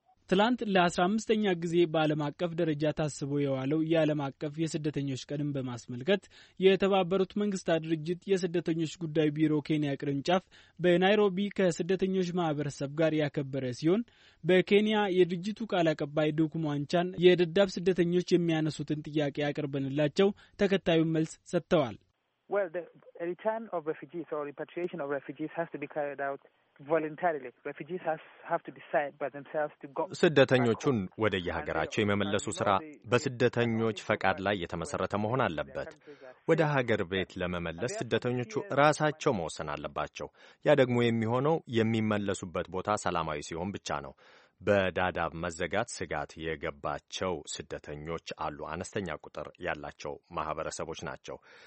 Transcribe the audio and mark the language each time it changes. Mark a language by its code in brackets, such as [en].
[am] ትላንት ለ15ኛ ጊዜ በዓለም አቀፍ ደረጃ ታስቦ የዋለው የዓለም አቀፍ የስደተኞች ቀንን በማስመልከት የተባበሩት መንግስታት ድርጅት የስደተኞች ጉዳይ ቢሮ ኬንያ ቅርንጫፍ በናይሮቢ ከስደተኞች ማህበረሰብ ጋር ያከበረ ሲሆን በኬንያ የድርጅቱ ቃል አቀባይ ዱኩሟንቻን የደዳብ ስደተኞች የሚያነሱትን ጥያቄ አቅርበንላቸው ተከታዩን መልስ ሰጥተዋል። [en] Well, the return of refugees or repatriation of refugees has to be carried out voluntarily. Refugees have to decide by themselves to go. [am] ስደተኞቹን ወደ የሀገራቸው የመመለሱ ስራ በስደተኞች ፈቃድ ላይ የተመሰረተ መሆን አለበት። ወደ ሀገር ቤት ለመመለስ ስደተኞቹ ራሳቸው መወሰን አለባቸው። ያ ደግሞ የሚሆነው የሚመለሱበት ቦታ ሰላማዊ ሲሆን ብቻ ነው። በዳዳብ መዘጋት ስጋት የገባቸው ስደተኞች አሉ። አነስተኛ ቁጥር ያላቸው ማህበረሰቦች ናቸው።